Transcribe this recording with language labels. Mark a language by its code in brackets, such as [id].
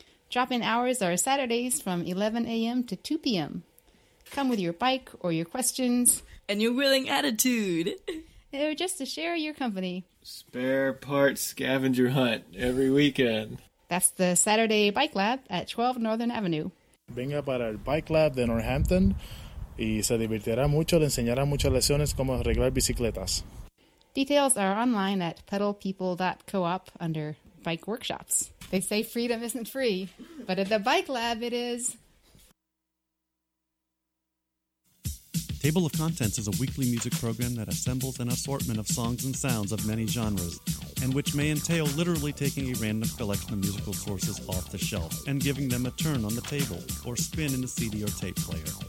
[en] Drop-in hours are Saturdays from 11 a.m. to 2 p.m. Come with your bike or your questions. And your willing attitude. Or just to share your company. Spare parts scavenger hunt every weekend. That's the Saturday Bike Lab at 12 Northern Avenue. [es] Venga para el Bike Lab de Northampton y se divertirá mucho, le enseñará muchas lecciones cómo arreglar bicicletas. [en] Details are online at pedalpeople.coop under bike workshops. They say freedom isn't free, but at the Bike Lab it is. Table of Contents is a weekly music program that assembles an assortment of songs and sounds of many genres, and which may entail literally taking a random collection of musical sources off the shelf and giving them a turn on the table or spin in a CD or tape player.